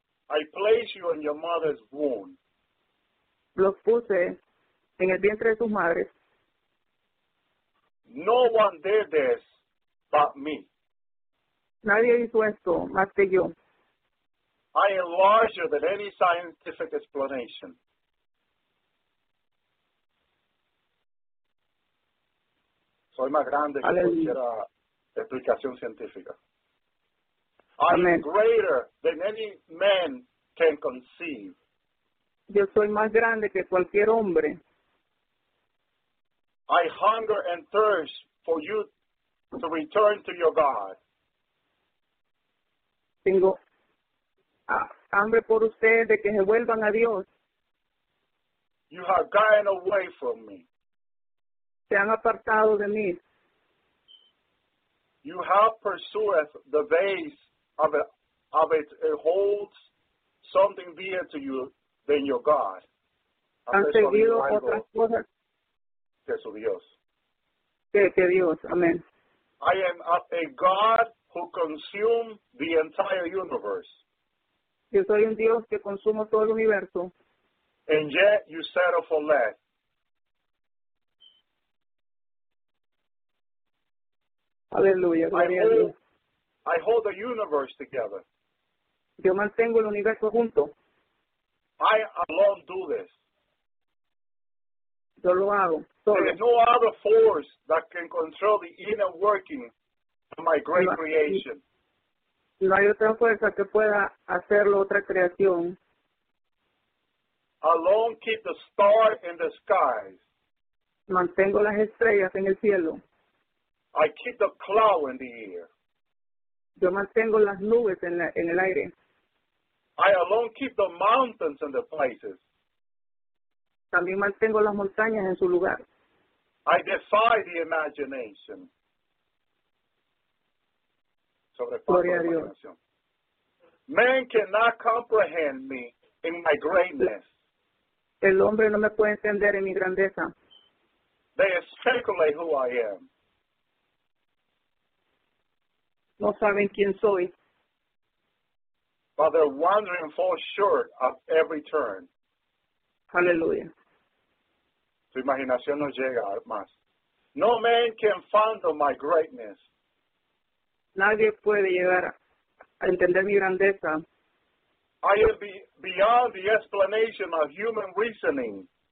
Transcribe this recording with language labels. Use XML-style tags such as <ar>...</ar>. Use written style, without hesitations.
<en>I place you in your mother's womb.</en> <es>Los puse en el vientre de sus madres.</es> <en>No one did this but me.</en> <es>Nadie hizo esto más que yo.</es> <en>I am larger than any scientific explanation.</en> <es>Soy más grande que cualquier explicación científica.</es> <en>Amen. I am greater than any man can conceive.</en> <es>Yo soy más grande que cualquier hombre.</es> <en>I hunger and thirst for you to return to your God.</en> <es>Tengo hambre por ustedes de que se vuelvan a Dios.</es> <en>You have gotten away from me.</en> <es>Se han apartado de mí.</es> <en>You have pursued the vase of it. It holds something dear to you than your God.</en> <es>Han seguido otras cosas. Que su Dios. Que Dios. Amen.</es> <en>I am a God who consume the entire universe.</en> <es>Yo soy un Dios que consumo todo el universo.</es> <en>And yet you settle for less.</en> <es>Aleluya.</es> <en>I hold the universe together.</en> <es>Yo mantengo el universo junto.</es> <en>I alone do this.</en> <es>Yo lo hago.</es> <en>There is no other force that can control the inner working. My great creation.</en> <es>No hay otra fuerza que pueda hacerlo otra creación.</es> <en>Alone keep the star in the skies.</en> <es>Mantengo las estrellas en el cielo.</es> <en>I keep the cloud in the air.</en> <es>Yo mantengo las nubes en el aire.</es> <en>I alone keep the mountains in the places.</en> <es>También mantengo las montañas en su lugar.</es> <en>I defy the imagination.</en> <es>Gloria a Dios.</es> <en>Man cannot comprehend me in my greatness.</en> <es>El hombre no me puede entender en mi grandeza.</es> <en>They speculate who I am.</en> <es>No saben quién soy.</es> <en>But they're wandering and fall short of every turn.</en> <es>Aleluya. Su imaginación no llega más.</es> <en>No man can fathom my greatness.</en> <es>Nadie puede llegar a entender mi grandeza.</es> <en>I am beyond the explanation of human reasoning.</en>